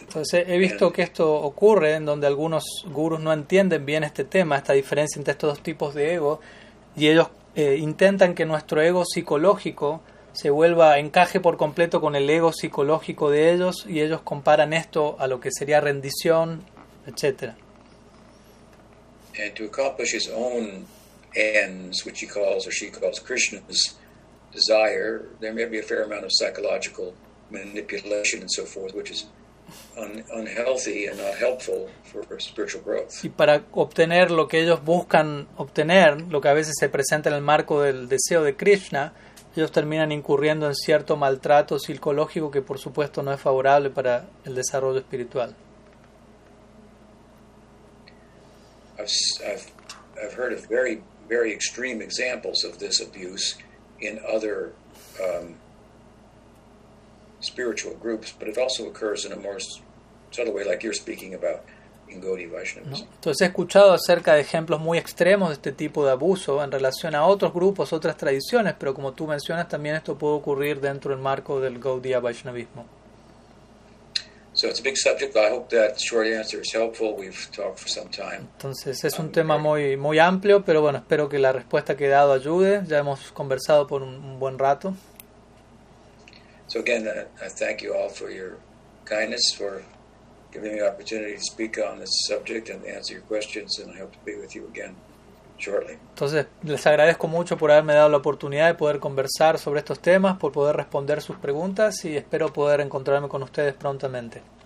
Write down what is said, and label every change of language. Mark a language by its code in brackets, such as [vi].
[es] Entonces he visto que esto ocurre en donde algunos gurús no entienden bien este tema, esta diferencia entre estos dos tipos de ego, y ellos intentan que nuestro ego psicológico se vuelva, encaje por completo con el ego psicológico de ellos, y ellos comparan esto a lo que sería rendición, etc. [en] And to accomplish his own ends, which he calls or she calls Krishna's desire, there may be a fair amount of psychological manipulation and so forth, which is unhealthy and not helpful for spiritual growth. [es] Y para obtener lo que ellos buscan obtener, lo que a veces se presenta en el marco del deseo de Krishna, ellos terminan incurriendo en cierto maltrato psicológico que por supuesto no es favorable para el desarrollo espiritual. [en] I've heard of very, very extreme examples of this abuse in other spiritual groups, but it also occurs in a more subtle way, like you're speaking about in Gaudiya Vaishnavism. [es] Entonces he escuchado acerca de ejemplos muy extremos de este tipo de abuso en relación a otros grupos, otras tradiciones, pero como tú mencionas, también esto puede ocurrir dentro del marco del Gaudiya Vaishnavismo. [en] So it's a big subject, but I hope that short answer is helpful. We've talked for some time. [es] Entonces es un tema muy, muy amplio, pero bueno, espero que la respuesta que he dado ayude. Ya hemos conversado por un buen rato. [en] So again, I thank you all for your kindness, for giving me the opportunity to speak on this subject and answer your questions, and I hope to be with you again shortly. [es] Entonces, les agradezco mucho por haberme dado la oportunidad de poder conversar sobre estos temas, por poder responder sus preguntas, y espero poder encontrarme con ustedes prontamente.